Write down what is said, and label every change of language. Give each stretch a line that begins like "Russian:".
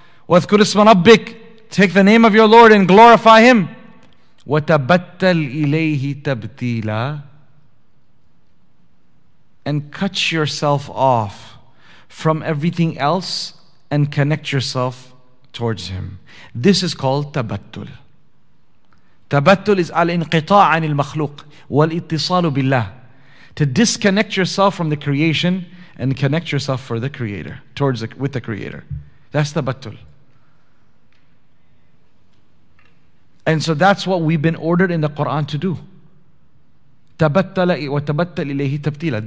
Arabic: واذكر اسم ربك.
English: Take the name of your Lord and glorify Him.
Arabic: وتبتل إليه تبتيلا.
English: And cut yourself off from everything else and connect yourself towards Him. This is called تبتل.
Arabic: تبتل is الانقطاع عن المخلوق والاتصال بالله.
English: To disconnect yourself from the creation and connect yourself for the Creator, towards the, with the Creator. That's تبتل. And so that's what we've been ordered in the Quran to do.
Arabic: تبتل وتبتل إليه تبتيلا.